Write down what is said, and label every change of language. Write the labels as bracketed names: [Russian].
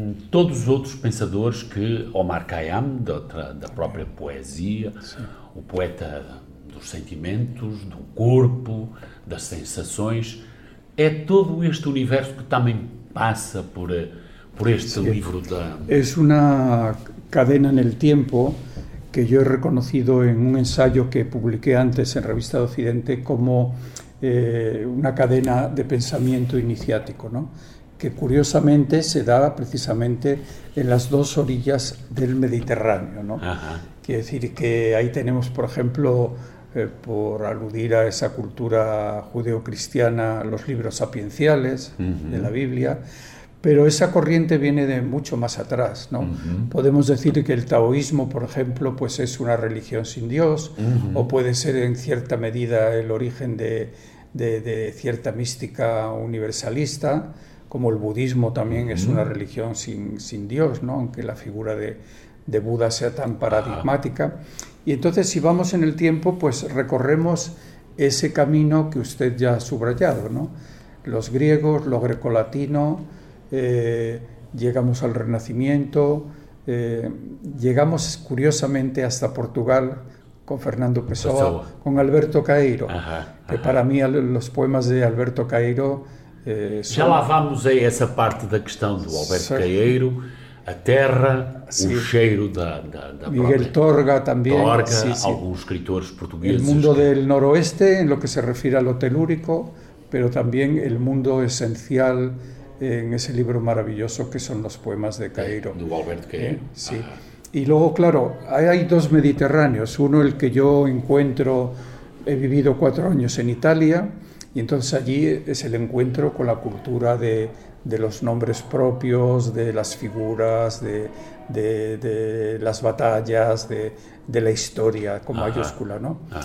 [Portuguese] Todos os outros pensadores que Omar Khayyam, da própria poesia, o poeta dos sentimentos, do corpo, das sensações, é todo este universo que também passa por este livro. É uma cadena no tempo que eu [Spanish] he reconocido [Portuguese] em um ensaio que publiquei antes em Revista do Occidente como uma cadena de pensamento iniciático, não? [Spanish] Que curiosamente se da precisamente en las dos orillas del Mediterráneo, ¿no? Quiere decir que ahí tenemos, por ejemplo, por aludir a esa cultura judeocristiana, los libros sapienciales de la Biblia, pero esa corriente viene de mucho más atrás, ¿no? Podemos decir que el taoísmo, por ejemplo, pues es una religión sin Dios, o puede ser en cierta medida el origen de cierta mística universalista, como el budismo también es una religión sin Dios, ¿no? Aunque la figura de Buda sea tan paradigmática. Y entonces, si vamos en el tiempo, pues recorremos ese camino que usted ya ha subrayado, ¿no? Los griegos, lo grecolatino, llegamos al Renacimiento, llegamos curiosamente hasta Portugal con Fernando Pessoa, con Alberto Caeiro, que para mí los poemas de Alberto Caeiro... [Portuguese] Já lá vamos a essa parte da questão do Alberto Caeiro, a terra, o cheiro da Miguel própria... Torga também. Torga, alguns escritores portugueses. O mundo [Spanish] del noroeste, [Portuguese] em lo que se refira ao telúrico, mas também o mundo essencial em esse livro maravilhoso que são os poemas de Caeiro. Do Alberto Caeiro. Sim. E logo, claro, há dois mediterrâneos. Um, o que eu encontro, he vivido 4 anos em Itália, y entonces allí es el encuentro con la cultura de los nombres propios, de las figuras, de las batallas, de la historia con mayúscula, ¿no?